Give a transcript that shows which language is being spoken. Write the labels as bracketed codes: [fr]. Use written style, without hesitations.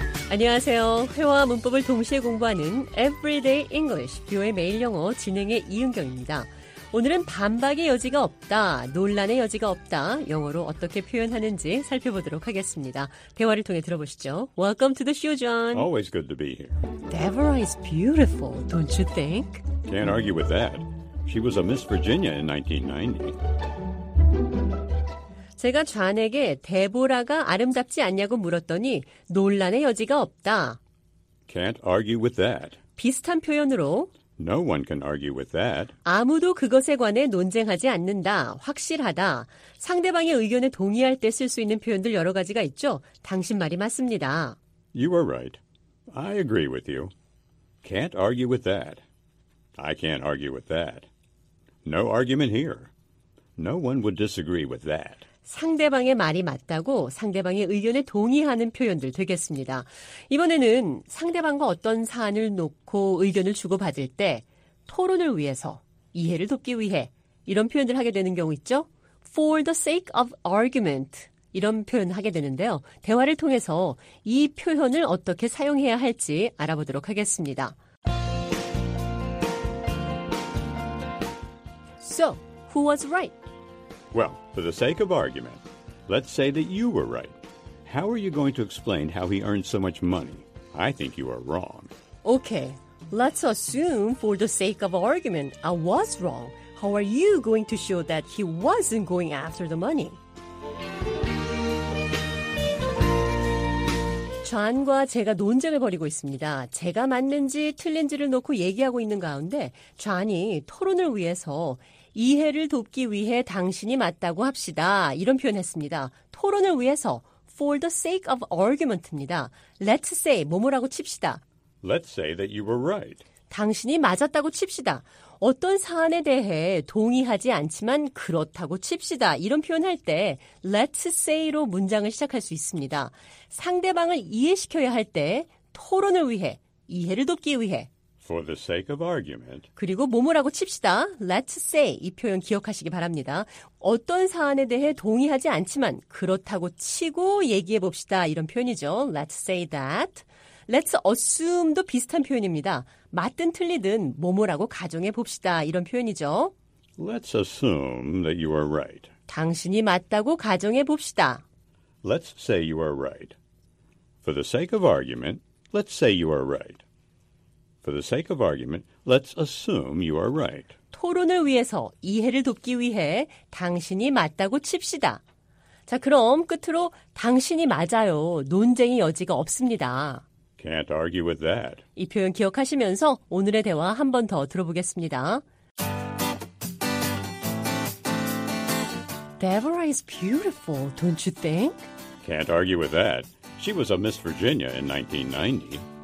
[ko] 안녕하세요. 회화와 문법을 동시에 공부하는 Everyday English, VOA 매일 영어 진행의 이은경입니다. 오늘은 반박의 여지가 없다, 논란의 여지가 없다, 영어로 어떻게 표현하는지 살펴보도록 하겠습니다. 대화를 통해 들어보시죠. [en] Welcome to the show, John. Always good to be here. Deborah is beautiful, don't you think? Can't argue with that. She was a Miss Virginia in 1990. [ko] 제가 존에게 데보라가 아름답지 않냐고 물었더니 논란의 여지가 없다. [en] Can't argue with that. [ko] 비슷한 표현으로 [en] No one can argue with that. [ko] 아무도 그것에 관해 논쟁하지 않는다. 확실하다. 상대방의 의견에 동의할 때 쓸 수 있는 표현들 여러 가지가 있죠. 당신 말이 맞습니다. [en] You are right. I agree with you. Can't argue with that. I can't argue with that. No argument here. No one would disagree with that. [ko] 상대방의 말이 맞다고 상대방의 의견에 동의하는 표현들 되겠습니다. 이번에는 상대방과 어떤 사안을 놓고 의견을 주고받을 때 토론을 위해서, 이해를 돕기 위해 이런 표현들 하게 되는 경우 있죠? [en] For the sake of argument [ko] 이런 표현 하게 되는데요. 대화를 통해서 이 표현을 어떻게 사용해야 할지 알아보도록 하겠습니다. [en] So, who was right? Well, for the sake of argument, let's say that you were right. How are you going to explain how he earned so much money? I think you are wrong. Okay, let's assume for the sake of argument, I was wrong. How are you going to show that he wasn't going after the money? [ko] 존과 제가 논쟁을 벌이고 있습니다. 제가 맞는지 틀린지를 놓고 얘기하고 있는 가운데 존이 토론을 위해서 이해를 돕기 위해 당신이 맞다고 합시다. 이런 표현했습니다. 토론을 위해서 [en] for the sake of argument [ko] 입니다. [en] Let's say [ko] 뭐뭐라고 칩시다. [en] Let's say that you were right. [ko] 당신이 맞았다고 칩시다. 어떤 사안에 대해 동의하지 않지만 그렇다고 칩시다. 이런 표현할 때 let's say로 문장을 시작할 수 있습니다. 상대방을 이해시켜야 할 때 토론을 위해 이해를 돕기 위해 [en] For the sake of argument. [ko] 그리고 뭐뭐라고 칩시다. [en] Let's say [ko] 이 표현 기억하시기 바랍니다. 어떤 사안에 대해 동의하지 않지만 그렇다고 치고 얘기해 봅시다. 이런 표현이죠. [en] Let's say that. Let's assume [ko] 도 비슷한 표현입니다. 맞든 틀리든 뭐뭐라고 가정해 봅시다. 이런 표현이죠. [en] Let's assume that you are right. [ko] 당신이 맞다고 가정해 봅시다. [en] Let's say you are right. For the sake of argument, let's say you are right. For the sake of argument, let's assume you are right. [ko] 토론을 위해서 이해를 돕기 위해 당신이 맞다고 칩시다. 자, 그럼 끝으로 당신이 맞아요. 논쟁의 여지가 없습니다. [en] Can't argue with that. [ko] 이 표현 기억하시면서 오늘의 대화 한 번 더 들어보겠습니다. [en] Deborah is beautiful, don't you think? Can't argue with that. She was a Miss Virginia in 1990.